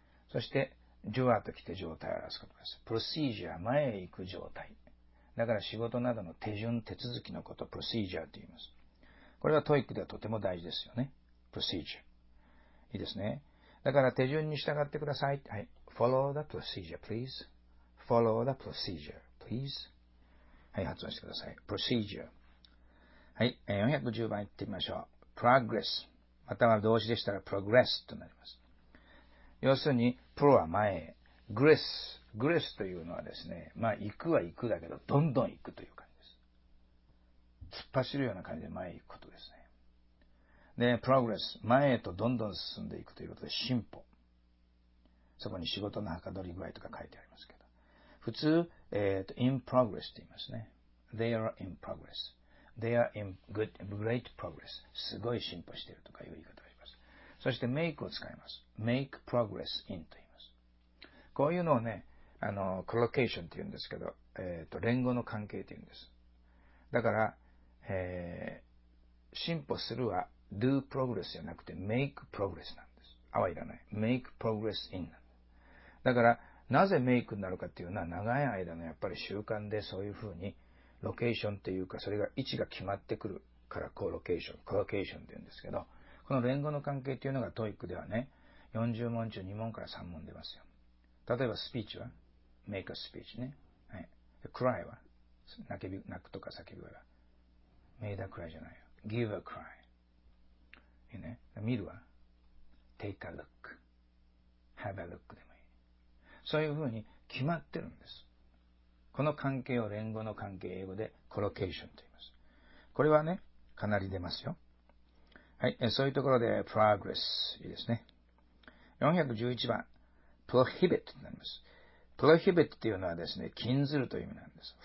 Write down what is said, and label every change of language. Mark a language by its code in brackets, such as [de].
[ja] そして、jure と来て状態を表すことです。procedure は前へ行く状態。だから仕事などの手順、手続きのこと、procedure と言います。これはトイックではとても大事ですよね。 procedure。 いいですね。だから手順に従ってください。はい。 [en] follow the procedure, please. follow the procedure, please. [ja] はい、発音してください。 procedure。はい、410番いってみましょう。 progress。または動詞でしたら progress となります。要するに、pro は前へ。 gress というのはですね、まあ、行くは行くだけど、どんどん行くというか。突っ走るような感じで前へ行くことですね。で、progress、前へとどんどん進んでいくということで、進歩。そこに仕事のはかどり具合とか書いてありますけど。普通、 [en] in progress [ja] って言いますね。 [en] they are in progress. they are in great progress. [ja] すごい進歩しているとかいう言い方をします。そして、make を使います。 [en] make progress in [ja] と言います。こういうのをね、collocation って言うんですけど、連語の関係って言うんです。だから、進歩するは [en] do progress [ja] じゃなくて [en] make progress [ja] なんです。あはいらない。 [en] make progress in [ja] なんです。だから、なぜ make になるかっていうのは長い間のやっぱり習慣でそういうふうにロケーションっていうかそれが位置が決まってくるから collocation、collocation って言うんですけど、この連語の関係っていうのがトイックではね、40問中2問から3問出ますよ。例えばスピーチは [en] make a speech [ja] ね。はい。cry は泣くとか叫ぶは。 [en] Made a cry [ja] じゃないよ。 [en] Give a cry. [ja] いいね。見るわ。 [en] Take a look. Have a look [ja] でもいい。そういう風に決まってるんです。この関係を連語の関係、英語で collocation と言います。これはね、かなり出ますよ。はい。そういうところで progress。いいですね。411番。 prohibit となります。prohibit っていうのはですね、禁ずるという意味なんです。